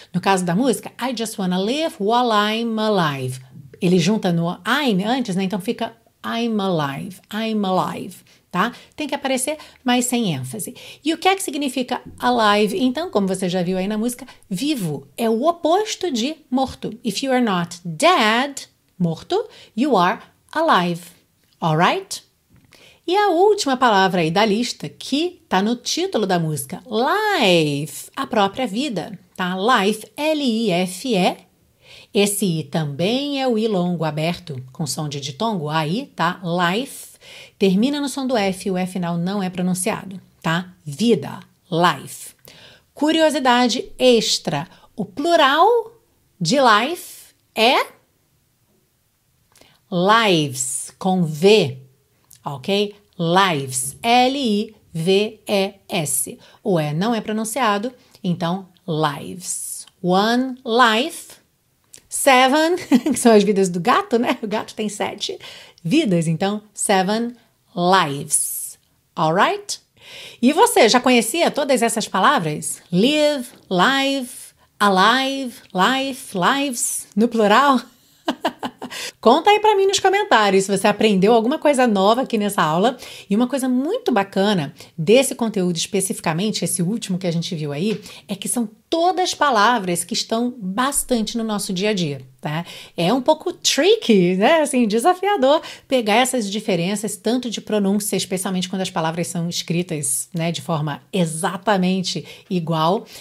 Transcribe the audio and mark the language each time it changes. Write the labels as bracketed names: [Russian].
[Portuguese] No caso da música, [English] I just wanna live while I'm alive. [Portuguese] Ele junta no I'm antes, né? Então fica I'm alive, tá? Tem que aparecer, mas sem ênfase. E o que é que significa alive? Então, como você já viu aí na música, vivo é o oposto de morto. [English] If you are not dead, morto, you are alive, alright? [Portuguese] E a última palavra aí da lista, que tá no título da música, life, a própria vida, tá? Life, L-I-F-E, esse I também é o I longo aberto, com som de ditongo, aí, tá? Life, termina no som do F, o E final não é pronunciado, tá? Vida, life. Curiosidade extra, o plural de life é lives, com V, ok? [English] Lives, L-I-V-E-S. [Portuguese] O E não é pronunciado, então lives. [English] One life, seven, [Portuguese] que são as vidas do gato, né? O gato tem sete vidas, então [English] seven lives. [Portuguese] Alright? E você, já conhecia todas essas palavras? [English] Live, live, alive, life, lives, [Portuguese] no plural? Conta aí pra mim nos comentários se você aprendeu alguma coisa nova aqui nessa aula. E uma coisa muito bacana desse conteúdo especificamente, esse último que a gente viu aí, é que são todas palavras que estão bastante no nosso dia a dia, tá? É um pouco tricky, né? Assim, desafiador pegar essas diferenças, tanto de pronúncia, especialmente quando as palavras são escritas, né, de forma exatamente igual.